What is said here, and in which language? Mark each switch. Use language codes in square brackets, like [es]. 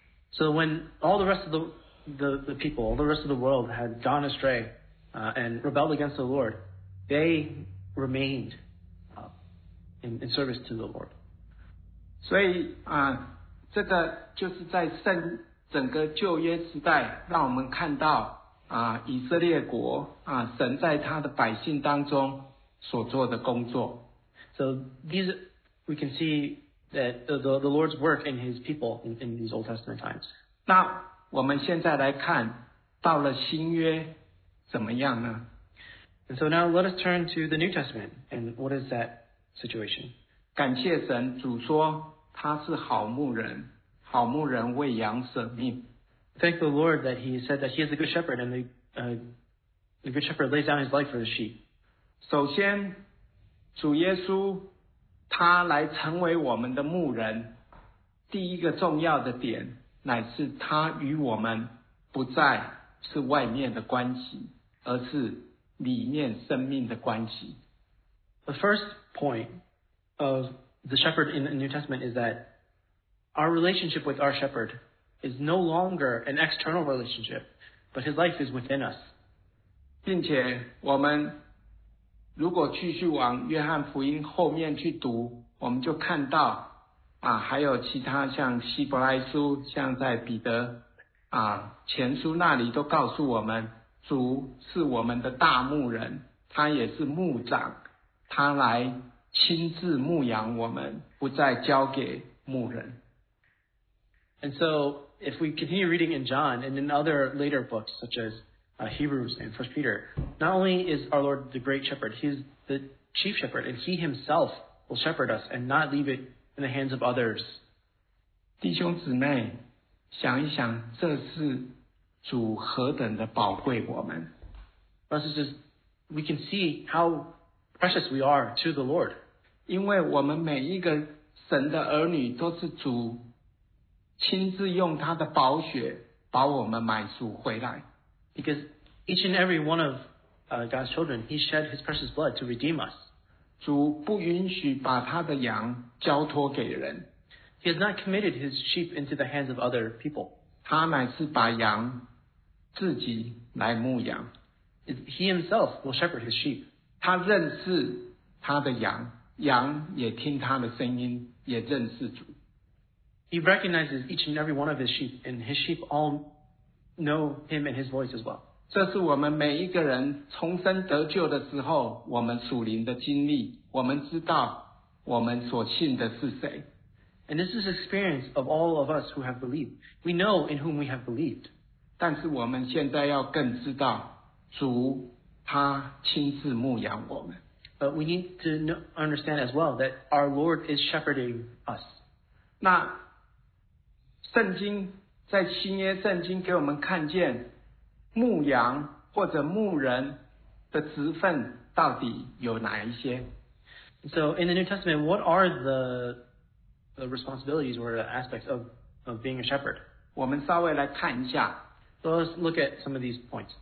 [en] So when all the rest of the people, all the rest of the world had gone astray and rebelled against the Lord, they remained in service to the Lord. [zh] 所以这个就是在整个旧约时代让我们看到以色列国神在他的百姓当中所做的工作。 [en] So these we can see that the Lord's work in his people in these Old Testament times. [zh] 那我们现在来看到了新约怎么样呢？ [en] And so now let us turn to the New Testament and what is that situation? [zh] 感谢神，主说他是好牧人，好牧人为羊舍命。 [en] Thank the Lord that he said that he is a good shepherd and the good shepherd lays down his life for the sheep. [zh] 首先主耶稣他来成为我们的牧人，第一个重要的点乃是他与我们不再是外面的关系，而是里面生命的关系。 [en] The first point of the shepherd in the New Testament is that our relationship with our shepherd is no longer an external relationship, but his life is within us. [zh] 并且我们如果继续往约翰福音后面去读，我们就看到还有其他像希伯来书，像在彼得前书那里都告诉我们，主是我们的大牧人，他也是牧长，他来亲自牧养我们，不再交给牧人。 [en] And so if we continue reading in John and in other later books such as Hebrews and 1 Peter, not only is our Lord the great shepherd, he's the chief shepherd, and he himself will shepherd us and not leave it in the hands of others. [zh] 弟兄姊妹，想一想，这是主何等的宝贵我们。 [en] This is just, we can see how precious we are to the Lord. [zh] 因为我们每一个神的儿女都是主亲自用他的宝血把我们买赎回来。 [en] Because each and every one of God's children, he shed his precious blood to redeem us. [zh] 主不允许把他的羊交托给人。 [en] He has not committed his sheep into the hands of other people. [zh] 他乃是把羊自己来牧养。 [en] He himself will shepherd his sheep. [zh] 他认识他的羊，羊也听他的声音，也认识主。 [en] He recognizes each and every one of his sheep, and his sheep all know him and his voice as well. [zh] 这是我们每一个人重生得救的时候，我们属灵的经历，我们知道我们所信的是谁。 [en] And this is experience of all of us who have believed. We know in whom we have believed. [zh] 但是我们现在要更知道，主他亲自牧养我们。 [en] But we need to know, understand as well that our Lord is shepherding us. [zh] 那圣经在新约圣经给我们看见牧羊或者牧人的职分到底有哪一些？ [en] So in the New Testament, what are the responsibilities or the aspects of being a shepherd? [zh] 我们稍微来看一下。 [en] So let's look at some of these points.